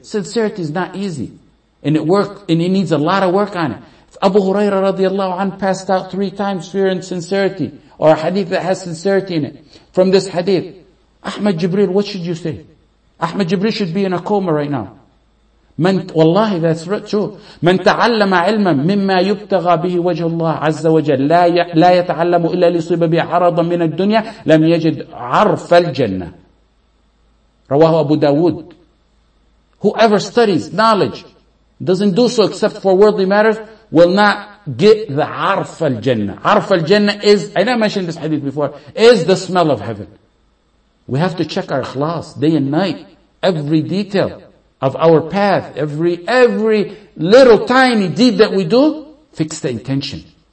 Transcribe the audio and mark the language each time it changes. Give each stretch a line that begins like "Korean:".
English: Sincerity is not easy. And it needs a lot of work on it. If Abu Huraira radiallahu anhu passed out 3 times fear and sincerity, or a hadith that has sincerity in it, from this hadith, Ahmad Jibril, what should you say? Ahmad Jibril should be in a coma right now. Wallahi, that's true.
Arabic: من تعلم علما مما يبتغى به وجه الله عز وجل لا يتعلم إلا ليصيب به عرضا من الدنيا لم يجد عرف الجنة. رواه أبو داود.
English: Whoever studies knowledge, doesn't do so except for worldly matters, will not get the عرف الجنة. عرف الجنة is, I never mentioned this hadith before, is the smell of heaven. We have to check our ikhlas day and night, every detail of our path, every little tiny deed that we do, fix the intention.